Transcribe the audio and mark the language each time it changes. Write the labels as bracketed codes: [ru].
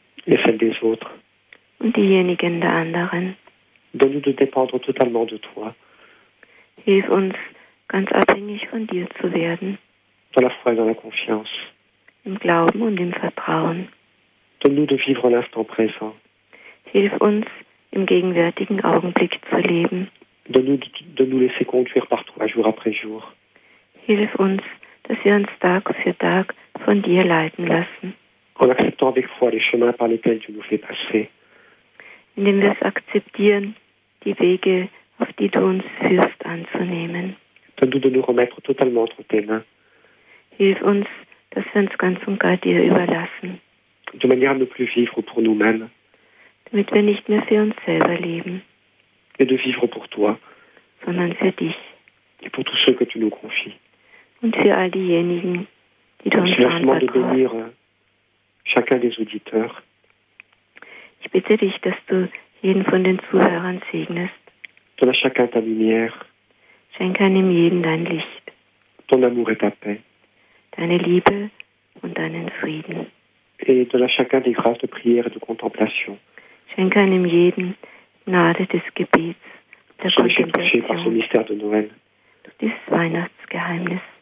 [fr] Et celle des autres. [de] Und diejenigen der anderen. [fr] Donne-nous de dépendre totalement de toi. [de] Hilf uns, ganz abhängig von dir zu werden. [fr] Dans la foi et dans la confiance. [de] Im Glauben und im Vertrauen. [fr] Donne-nous de vivre l'instant présent. [de] Hilf uns, im gegenwärtigen Augenblick zu leben. [fr] De nous laisser conduire par toi, jour après jour. [de] Hilf uns, dass wir uns Tag für Tag von dir leiten lassen. [fr] En acceptant avec foi les chemins par lesquels tu nous fais passer. [de] Indem wir es akzeptieren, die Wege, auf die du uns führst, anzunehmen. [fr] Donne-nous de nous remettre totalement entre tes mains. [de] Hilf uns, dass wir uns ganz und gar dir überlassen. [fr] De manière à ne plus vivre pour nous-mêmes. [de] Damit wir nicht mehr für uns selber leben. [fr] Et de vivre pour toi. [de] Sondern für dich. [fr] Et pour tous ceux que tu nous confies. [de] Und für all diejenigen, die du uns anvertraust. [fr] Je te demande de bénir chacun des auditeurs. [de] Ich bitte dich, dass du jeden von den Zuhörern segnest. [fr] Donne à chacun ta lumière. [de] Schenke einem jeden dein Licht. [fr] Ton amour et ta paix. [de] Deine Liebe und deinen Frieden. [fr] Et donne à chacun des grâces de prière et de contemplation. [de] Schenke einem jeden Gnade des Gebets, der Kontemplation. [fr] Par ce mystère de Noël. [de] Durch dieses Weihnachtsgeheimnis.